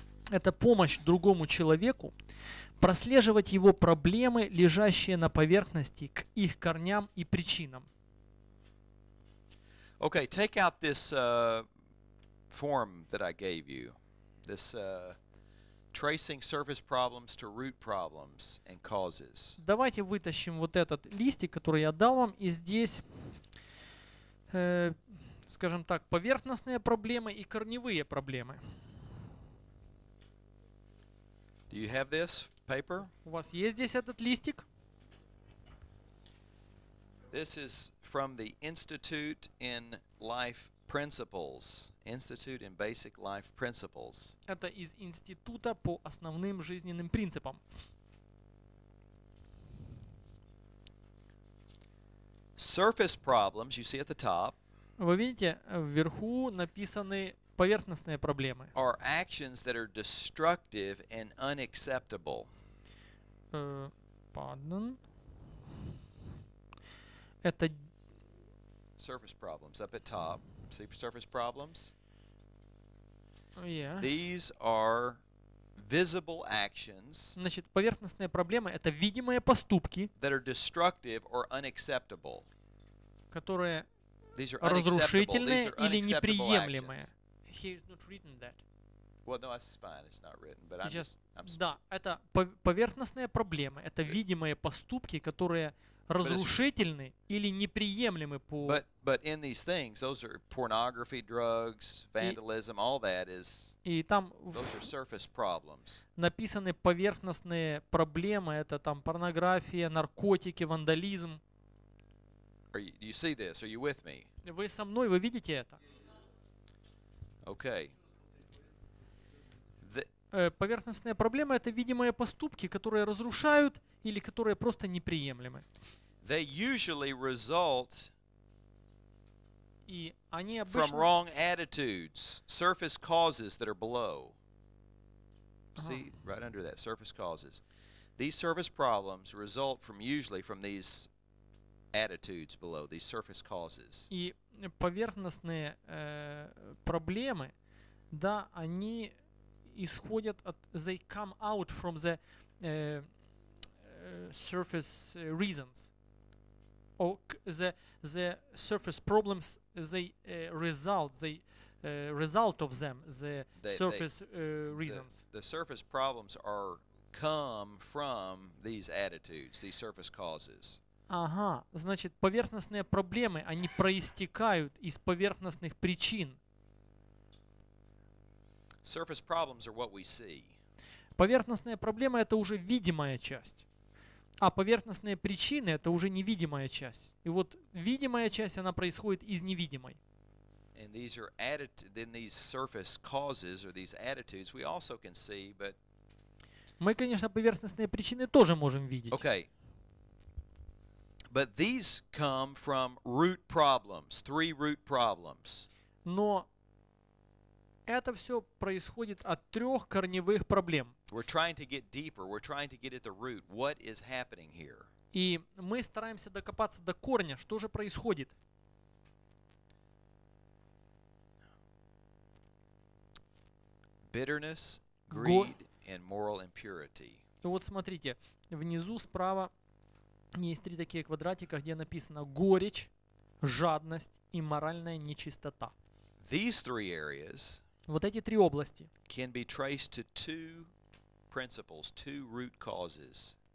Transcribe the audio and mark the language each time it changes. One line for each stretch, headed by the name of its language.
Russian: Это помощь другому человеку прослеживать его проблемы, лежащие на поверхности, к их корням и причинам.
English: Okay, take out this form that I gave you. This tracing surface problems to root problems and causes.
Russian: Давайте вытащим вот этот листик, который я дал вам, и здесь, скажем так, поверхностные проблемы и корневые проблемы.
English: Do you have this paper?
Russian: У вас есть здесь этот листик?
English: This is from the Institute in Life Principles. Institute in Basic Life Principles.
Russian: Это из института по основным жизненным принципам.
English: Surface problems, you see at the top.
Russian: Вы видите, вверху написаны поверхностные проблемы.
English: Are actions that are destructive and unacceptable. Pardon.
Russian: Это
English: surface problems up at top. See surface problems? Yeah. These are visible actions.
Russian: Значит, поверхностные проблемы — это видимые поступки,
English: that are destructive or unacceptable.
Russian: Которые разрушительные или неприемлемые.
English: He is not written that. Well, no, that's fine. It's not written, but I'm just.
Russian: Да, это поверхностные проблемы. Это видимые поступки, которые разрушительны или неприемлемы по.
English: But in these things, those are pornography, drugs, vandalism, all that is.
Russian: И там.
English: Those are surface problems.
Russian: Написаны поверхностные проблемы. Это там порнография, наркотики, вандализм.
English: Are you, do you see this? Are you with me?
Russian: Вы со мной? Вы видите это?
English: Okay.
Russian: Поверхностная проблема — это видимые поступки, которые разрушают или которые просто неприемлемы.
English: They usually result
Russian: и они обычно
English: from wrong attitudes, surface causes that are below. See, right under that, surface causes. These surface problems result from usually from these attitudes below, these surface causes.
Russian: И поверхностные проблемы, да, они исходят от,
English: they come out from the surface reasons. Or the surface problems, they result, the result of them, the surface reasons. The surface problems are come from these attitudes, these surface causes.
Russian: Ага, значит, поверхностные проблемы, они проистекают из поверхностных причин. Surface problems are what we see. Поверхностные проблемы — это уже видимая часть. А поверхностные причины — это уже невидимая часть. И вот видимая часть, она происходит из невидимой.
English: And these are added, then these surface causes or these attitudes we also can see, but...
Russian: Мы, конечно, поверхностные причины тоже можем видеть.
English: Okay. But these come from root problems, three root problems.
Russian: Но это все происходит от трех корневых проблем.
English: We're trying to get deeper. We're trying to get at the root. What is happening here?
Russian: И мы стараемся докопаться до корня. Что же происходит?
English: Bitterness, greed, and moral impurity.
Russian: И вот смотрите, внизу справа есть три такие квадратика, где написано горечь, жадность и моральная нечистота.
English: These three areas
Russian: вот эти три области
English: can be traced to two principles, two root causes.